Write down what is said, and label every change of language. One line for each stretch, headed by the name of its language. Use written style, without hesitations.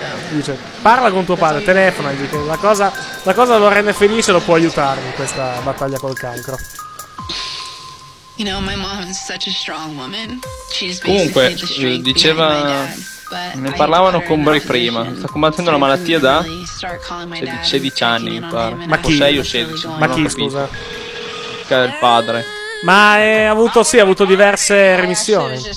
Italian: Dice, parla con tuo padre, telefona, dice, la cosa lo rende felice, lo può aiutare in questa battaglia col cancro.
English: You know, my mom is such a strong woman. She's
Italian: comunque diceva, ne parlavano con Bray prima, sta combattendo la malattia da 16 anni, ma chi? O 6 o 16, ma chi, scusa? Che è il padre. Ma ha avuto diverse remissioni.